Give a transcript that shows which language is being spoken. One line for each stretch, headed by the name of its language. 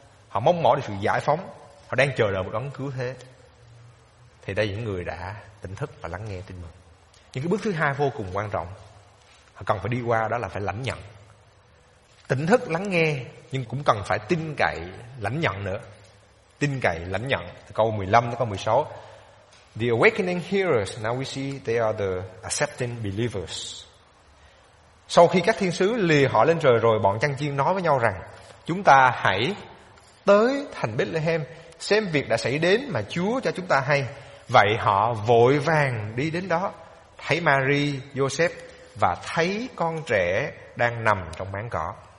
Vietnamese: Họ mong mỏi được sự giải phóng. Họ đang chờ đợi một đấng cứu thế. Thì đây là những người đã tỉnh thức và lắng nghe tin mừng. Những cái bước thứ hai vô cùng quan trọng họ cần phải đi qua, đó là phải lãnh nhận. Tỉnh thức lắng nghe nhưng cũng cần phải tin cậy lãnh nhận nữa. Tin cậy lãnh nhận, câu 15 đến câu 16.
English: The awakening hearers, now we see they are the accepting believers.
Vietnamese: Sau khi các thiên sứ lìa họ lên trời rồi, bọn chăn chiên nói với nhau rằng: chúng ta hãy tới thành Bethlehem xem việc đã xảy đến mà Chúa cho chúng ta hay. Vậy họ vội vàng đi đến đó, thấy Mary, Joseph và thấy con trẻ đang nằm trong máng cỏ.